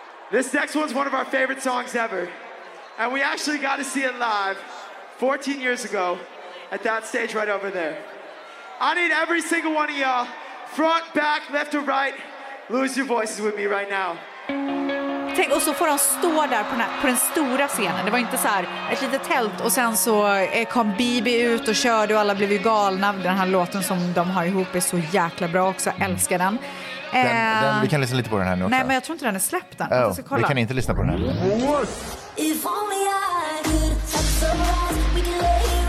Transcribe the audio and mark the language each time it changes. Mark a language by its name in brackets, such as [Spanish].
[English] This next one's one of our favorite songs ever. And we actually got to see it live 14 years ago. At that stage right over there. I need every single one of y'all, front, back, left or right, lose your voices with me right now. [Swedish] Tänk, och så får de stå där på den stora scenen. Det var inte så här ett litet tält. Och sen så kom Bibi ut och körde och alla blev ju galna. Den här låten som de har ihop är så jäkla bra också. Älskar den. Vi kan lyssna lite på den här nu också. Nej, men jag tror inte den är släppt den. Vi kan inte lyssna på den här. [English] If only I could touch the world, we can lay.